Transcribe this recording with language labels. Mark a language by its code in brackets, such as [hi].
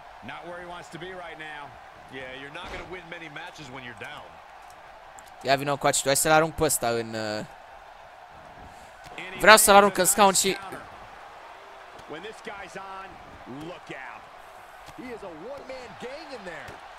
[en] Not where he wants to be right now. Yeah, you're not gonna win many matches when you're down. [ro] Ia vino cu acitul, hai să-l arunc pe ăsta în... Vreau să-l arunc în scaun și... [en] When this guy's on, look out. He is a one-man gang in there.